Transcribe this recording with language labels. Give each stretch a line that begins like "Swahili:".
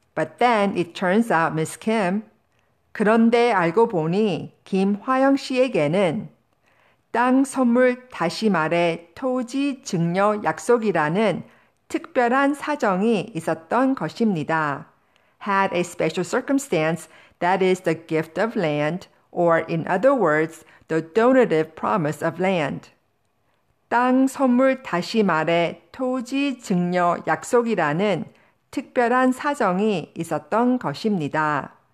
English: But then it turns out Miss Kim
Korean: 그런데 알고 보니 김화영 씨에게는 땅 선물 다시 말해 토지 증여 약속이라는 특별한 사정이 있었던 것입니다.
English: Had a special circumstance that is the gift of land or in other words the donative promise of land.
Korean: 땅 선물 다시 말해 토지 증여 약속이라는 특별한 사정이 있었던 것입니다.